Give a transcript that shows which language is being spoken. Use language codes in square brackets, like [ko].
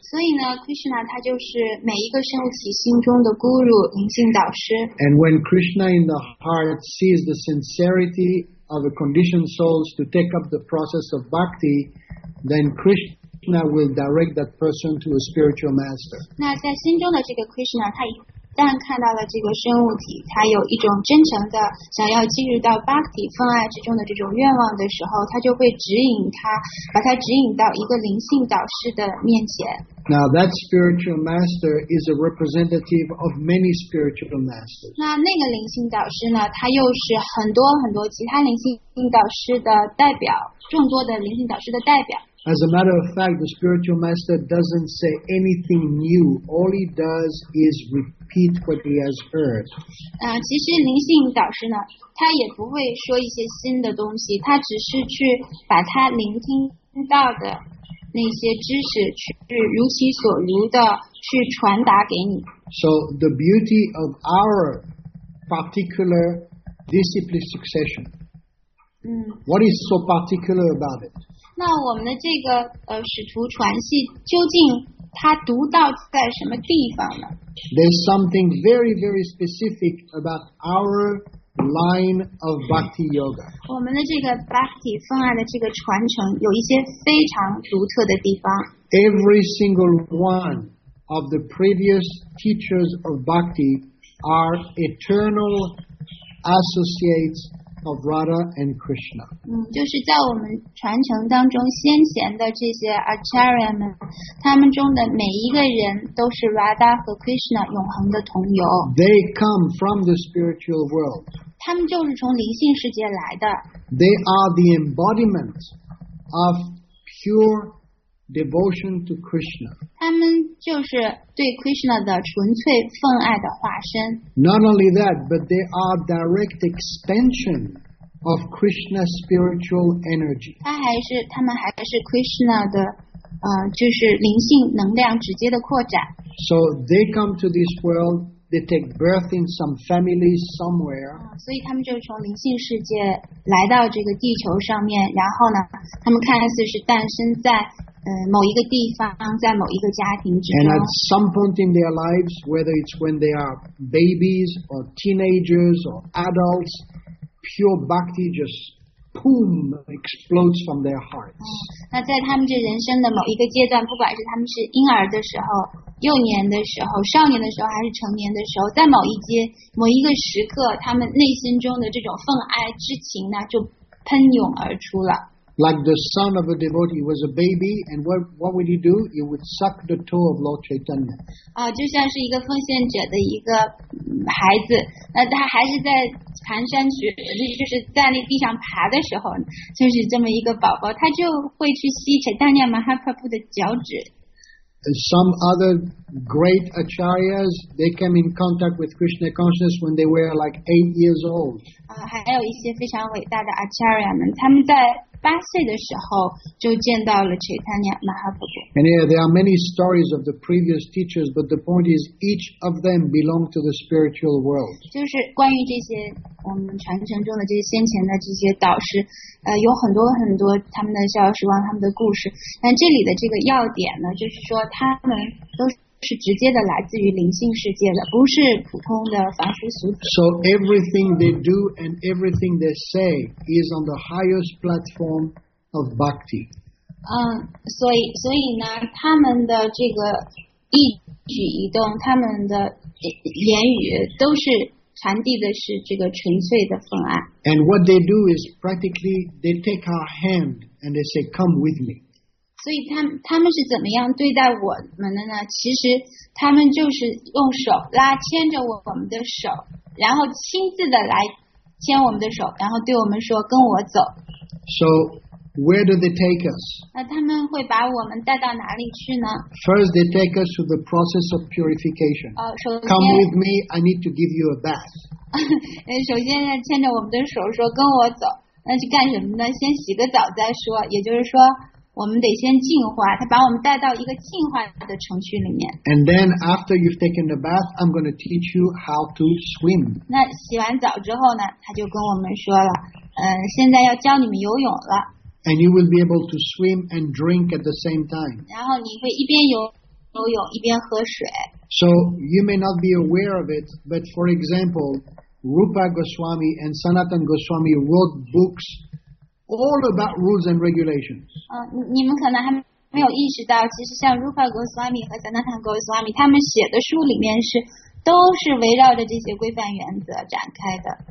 [zh] 所以呢 ，Krishna 他就是每一个生物体心中的 guru 灵性导师。 [en] And when Krishna in the heart sees the sincerity of the conditioned souls to take up the process of bhakti, then Krishna will direct that person to a spiritual master. [zh] 那在心中的这个 Krishna， 他一旦看到了这个生物体，他有一种真诚的想要进入到 bhakti 分爱之中的这种愿望的时候，他就会指引他，把他指引到一个灵性导师的面前。 [en] Now that spiritual master is a representative of many spiritual masters. [zh] 那那个灵性导师呢，他又是很多很多其他灵性导师的代表，众多的灵性导师的代表。 [en] As a matter of fact, the spiritual master doesn't say anything new. All he does is repeat what he has heard. [zh] 其实灵性导师呢，他也不会说一些新的东西，他只是去把他聆听到的那些知识去如其所如的去传达给你。 [en] So the beauty of our particular disciplined succession. What is so particular about it? [zh] 那我们的这个使徒传系究竟它独到在什么地方呢？ [en] There's something very, very specific about our line of Bhakti Yoga. [zh] 我们的这个 Bhakti 分爱的这个传承有一些非常独特的地方。 [en] Every single one of the previous teachers of Bhakti are eternal associates of Radha and Krishna. [zh] 就是在我们传承当中先贤的这些 Acharya 们，他们中的每一个人都是 Radha 和 Krishna 永恒的同游。 [en] They come from the spiritual world. [zh] 他们就是从灵性世界来的。 [en] They are the embodiment of pure devotion to Krishna. [zh] 他们就是对 Krishna 的纯粹奉爱的化身。 [en] Not only that, but they are direct expansion of Krishna's spiritual energy. [zh] 他们还是 Krishna 的，就是灵性能量直接的扩展。 [en] So they come to this world, they take birth in some family somewhere. [zh] 所以他们就从灵性世界来到这个地球上面，然后呢，他们看似是诞生在某一个地方，在某一个家庭之中。 [en] And at some point in their lives, whether it's when they are babies or teenagers or adults, pure bhakti just boom explodes from their hearts. [zh] 那在他们这人生的某一个阶段，不管是他们是婴儿的时候、幼年的时候、少年的时候，还是成年的时候，在某一阶、某一个时刻，他们内心中的这种奉爱之情呢，就喷涌而出了。 [en] Like the son of a devotee was a baby, and what would he do? He would suck the toe of Lord Chaitanya. [zh] 就像是一个奉献者的一个孩子，那他还是在蹒跚学，就是在那地上爬的时候，就是这么一个宝宝，他就会去吸 Chaitanya Mahaprabhu 的脚趾。 [en] Some other great acharyas, they came in contact with Krishna consciousness when they were like 8 years old. [zh] 还有一些非常伟大的 acharya 们，他们在八岁的时候就见到了 Chaitanya Mahaprabhu. [en] And yeah, there are many stories of the previous teachers, but the point is each of them belong to the spiritual world. [zh] 就是关于这些我们传承中的这些先前的这些导师，有很多很多他们的教师王他们的故事。但这里的这个要点呢，就是说他们都是直接的来自于灵性世界的，不是普通的凡夫俗子。 [en] So everything they do and everything they say is on the highest platform of bhakti. [zh] 所以呢，他们的这个一举一动，他们的言语都是传递的是这个纯粹的奉爱。 [en] And what they do is practically they take our hand and they say, "Come with me." [zh] 所以他们是怎么样对待我们的呢？其实他们就是用手拉牵着我们的手，然后亲自的来牵我们的手，然后对我们说跟我走。 [en] So, where do they take us? [zh] 他们会把我们带到哪里去呢? [en] First, they take us through the process of purification. [zh] 首先, [en] Come with me, I need to give you a bath. [zh] 首先牵着我们的手说跟我走, 那去干什么呢? 先洗个澡再说, 也就是说, 我们得先净化, 他把我们带到一个净化的程序里面。 [en] And then after you've taken the bath, I'm going to teach you how to swim. [zh] 那洗完澡之后呢, 他就跟我们说了, 现在要教你们游泳了。 [en] And you will be able to swim and drink at the same time. [zh] 然后你会一边游泳一边喝水。 [en] So you may not be aware of it, but for example, Rupa Goswami and Sanatan Goswami wrote books all about rules and regulations. [zh] 你们可能还没有意识到, 其实像 Rupa Goswami 和 Sanatan Goswami, 他们写的书里面是 都是围绕着这些规范原则展开的。